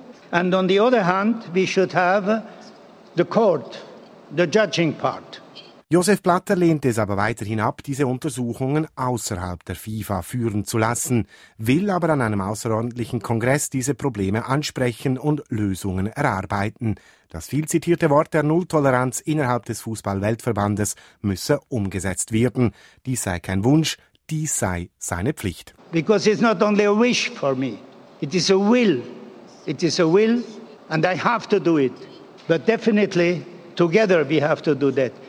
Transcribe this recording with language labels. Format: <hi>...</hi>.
<en>And on the other hand, we should have the court, the judging part.</en> <de>Josef Blatter lehnt es aber weiterhin ab, diese Untersuchungen außerhalb der FIFA führen zu lassen, will aber an einem außerordentlichen Kongress diese Probleme ansprechen und Lösungen erarbeiten. Das viel zitierte Wort der Nulltoleranz innerhalb des Fußballweltverbandes müsse umgesetzt werden. Dies sei kein Wunsch, dies sei seine Pflicht.</de> <en>Because it's not only a wish for me, it is a will. It is a will and I have to do it. But definitely together we have to do that.</en>